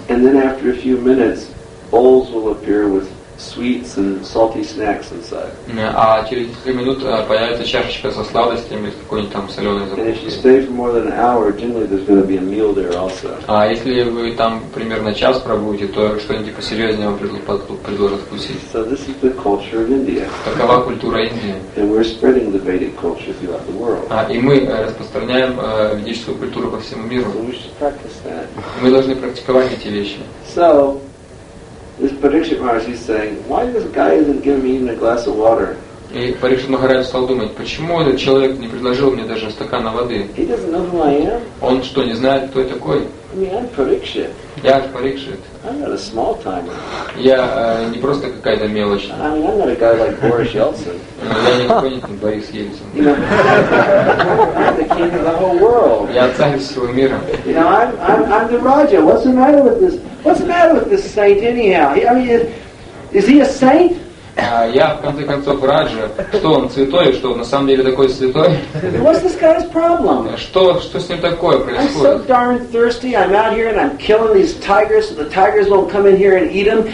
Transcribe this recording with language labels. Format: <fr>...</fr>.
<en>And then after a few minutes, bowls will appear with sweets and salty snacks inside.</en> <ru>А через несколько минут появится чашечка со сладостями, с какой-нибудь там соленой закуской.</ru> <en>And if you stay for more than an hour, generally there's going to be a meal there also.</en> <ru>А если вы там примерно час пробудете, то что-нибудь посерьезнее вам предложат вкусить.</ru> <en>So this is the culture of India.</en> <ru>Такова культура Индии.</ru> <en>And we're spreading the Vedic culture throughout the world.</en> <ru>И мы распространяем ведическую культуру по всему миру.</ru> <en>So we should practice that.</en> <ru>Мы должны практиковать эти вещи.</ru> <en>So this Parikshit Maharaj is saying, why this guy isn't giving me even a glass of water?</en> <ru>И Парикшит Махарадж стал думать, почему этот человек не предложил мне даже стакана воды?</ru> <en>He doesn't know who I am.</en> <ru>Он что, не знает, кто я такой?</ru> <en>I mean, I'm Parikshit.</en> <ru>Я Парикшит.</ru> <en>I'm not a small timer.</en> <ru>Я не просто какая-то мелочь.</ru> <en>I mean, I'm not a guy like Boris Yeltsin.</en> <ru>Я не какой-нибудь Борис Ельцин.</ru> <en>I'm the king of the whole world.</en> <ru>Я царь всего мира.</ru> <en>You know, I'm the Raja. What's the matter with this? What's the matter with this saint anyhow? I mean, is he a saint?</en> <ru>Я в конце концов Раджа. Что он святой? Что он на самом деле такой святой?</ru> <en>What's this guy's problem?</en> <ru>Что с ним такое происходит?</ru> <en>I'm so darn thirsty. I'm out here and I'm killing these tigers, so the tigers won't come in here and eat them.</en>